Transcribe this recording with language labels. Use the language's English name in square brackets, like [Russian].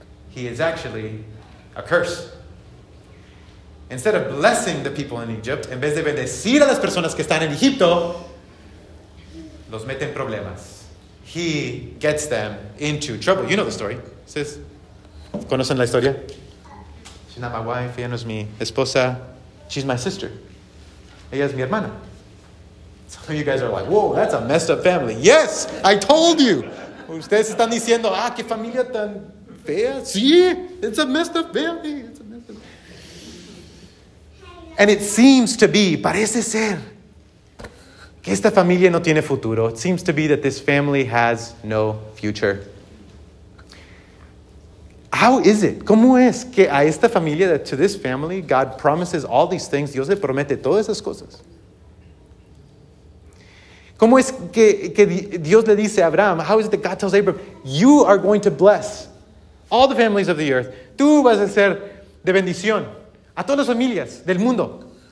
[English] He is actually a curse. Instead of blessing the people in Egypt, [Spanish] en vez de bendecir a las personas que están en Egipto, los mete en problemas. [English] He gets them into trouble. You know the story. Sis, [Spanish] ¿conocen la historia? [English] She's not my wife. [Spanish] Ella no es mi esposa. [English] She's my sister. [Spanish] Ella es mi hermana. [English] Some of you guys are like, whoa, that's a messed up family. Yes, I told you. [Spanish] Ustedes están diciendo, ah, qué familia tan fea. [English] Sí, it's a messed up family. It's a [Spanish] And it seems to be, parece ser, que esta familia no tiene futuro. [English] It seems to be that this family has no future. How is it? [Spanish] ¿Cómo es que a esta familia, [English] that to this family, God promises all these things? [Spanish] Dios le promete todas esas cosas. ¿Cómo es que Dios le dice a Abraham? [English] How is it that God tells Abraham, you are going to bless all the families of the earth. [Spanish] Tú vas a ser de bendición a todas las familias del mundo.